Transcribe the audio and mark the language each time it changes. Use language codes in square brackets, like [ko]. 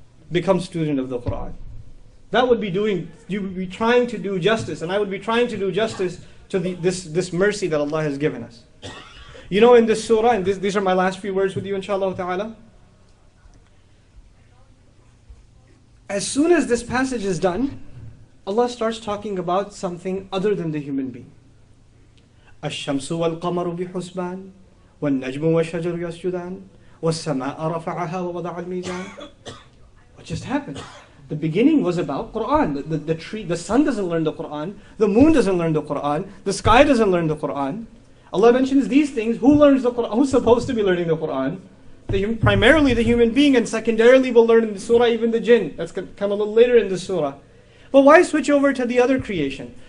[en] Become student of the Qur'an. That would be doing, you would be trying to do justice, and I would be trying to do justice to this mercy that Allah has given us. You know, in this surah, and these are my last few words with you, inshallah ta'ala. As soon as this passage is done, Allah starts talking about something other than the human being. [ar] الشَّمْسُ وَالْقَمَرُ بِحُسْبَانِ وَالنَّجْمُ وَالشَّجَرُ يَسْجُدَانِ وَالسَّمَاءَ رَفَعَهَا وَوَضَعَ الْمِيزَانِ [en] What just happened? The beginning was about Quran. The tree, the sun doesn't learn the Quran, the moon doesn't learn the Quran, the sky doesn't learn the Quran. Allah mentions these things. Who learns the Quran? Who's supposed to be learning the Quran? Primarily the human being, and secondarily we'll learn in the surah even the jinn. That's going to come a little later in the surah. But why switch over to the other creation?